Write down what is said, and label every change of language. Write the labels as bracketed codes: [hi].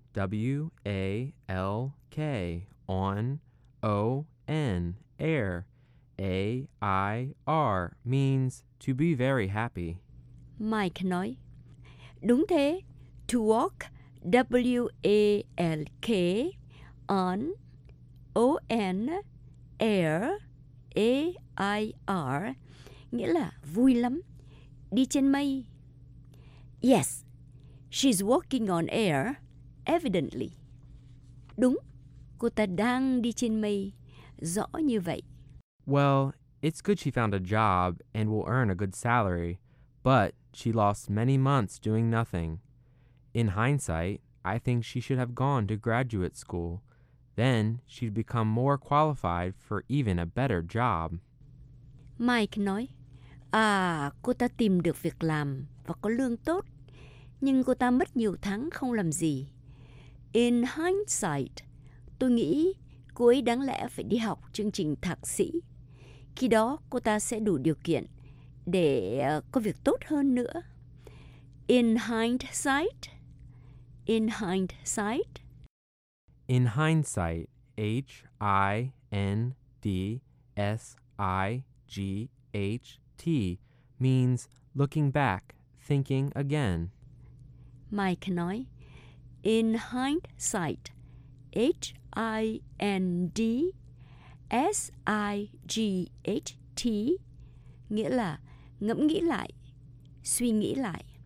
[en] W-A-L-K, on, O-N, air, A-I-R, means to be very happy. [vi] Mike nói, đúng thế, [en] to walk, W-A-L-K, on, O-N, air, A-I-R, [vi] nghĩa là vui lắm, đi trên mây. [en] Yes, she's walking on air. Evidently. [vi] Đúng, cô ta đang đi trên mây, rõ như vậy. [en] Well, it's good she found a job and will earn a good salary, but she lost many months doing nothing. In hindsight, I think she should have gone to graduate school. Then she'd become more qualified for even a better job. [vi] Mike nói, cô ta tìm được việc làm và có lương tốt, nhưng cô ta mất nhiều tháng không làm gì. [en] In hindsight, [vi] tôi nghĩ cô ấy đáng lẽ phải đi học chương trình thạc sĩ. Khi đó, cô ta sẽ đủ điều kiện để có việc tốt hơn nữa. [en] In hindsight, in hindsight. In hindsight, H-I-N-D-S-I-G-H-T means looking back, thinking again. [vi] Mike nói, [en] in hindsight, H-I-N-D-S-I-G-H-T, [vi] nghĩa là ngẫm nghĩ lại, suy nghĩ lại.